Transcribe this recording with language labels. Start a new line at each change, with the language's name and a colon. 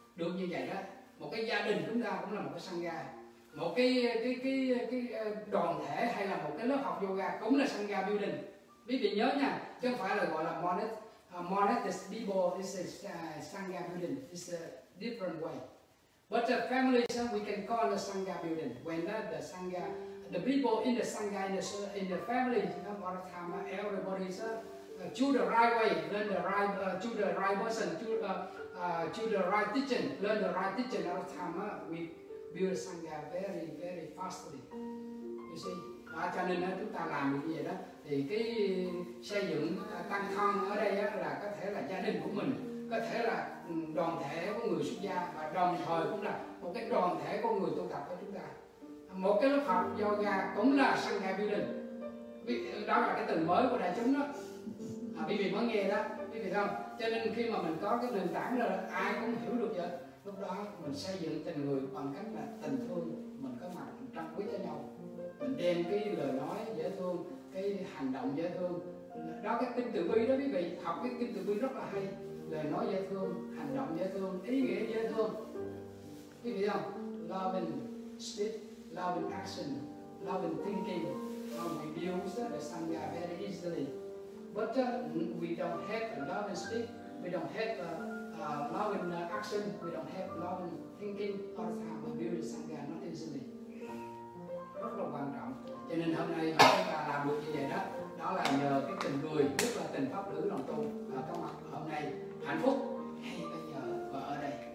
Vietnamese: Được như vậy đó, một cái gia đình chúng ta cũng là một cái sangha, một cái đoàn thể hay là một cái lớp học yoga cũng là sangha building. Quý vị nhớ nha, chứ không phải là gọi là
English: monastic people, is a sangha building, it's a different way. But the family, we can call the sangha building. When the sangha, the people in the sangha, in the family, all the time, everybody is to the right way, learn the right, to the right person, to the right teaching, learn the right teaching. All the time, we build sangha very, very fastly. You see,
Vietnamese: cho nên chúng ta làm như vậy đó, thì cái xây dựng tăng thân ở đây là có thể là gia đình của mình, có thể là đoàn thể của người xuất gia, và đồng thời cũng là một cái đoàn thể của người tu tập của chúng ta. Một cái lớp học yoga cũng là sangha building. Đó là cái từ mới của đại chúng đó. Quý vị mới nghe đó, quý vị không? Cho nên khi mà mình có cái nền tảng đó là ai cũng hiểu được vậy. Lúc đó mình xây dựng tình người bằng cách là tình thương, mình có mặt trân quý cho nhau. Mình đem cái lời nói dễ thương, cái hành động dễ thương. Đó cái kinh từ bi đó quý vị, học cái kinh từ bi rất là hay. Lời nói dễ thương, hành động dễ thương, ý nghĩa dễ thương. Quý vị không?
English: Loving speech, loving action, loving thinking. We build the sangha very easily. But we don't have loving speech, we don't have loving action, we don't have loving thinking. All the time we build the sangha not easily.
Vietnamese: Rất là quan trọng. Cho nên hôm nay chúng ta làm được như vậy đó, đó là nhờ cái tình người, nhất là tình pháp lữ đồng tu có mặt hôm nay. Hạnh phúc hay bây giờ vợ ở đây.